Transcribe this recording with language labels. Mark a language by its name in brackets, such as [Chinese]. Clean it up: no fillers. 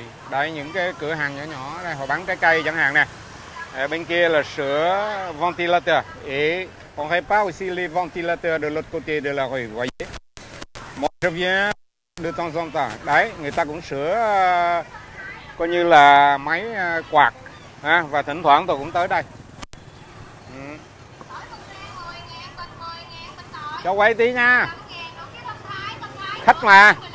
[Vietnamese] Đây những cái cửa hàng nhỏ đây, họ bán trái cây chẳng hạn nè. Bên kia là sữa ventilateur. [French] Et on répare aussi les ventilateurs de l'autre côté de la rue, vous voyez. Moi je viens de temps en temps. [Vietnamese] Đấy, người ta cũng sửa coi như là máy quạt ha, và thỉnh thoảng tôi cũng tới đây. Cho quay tí nha. Khách mà.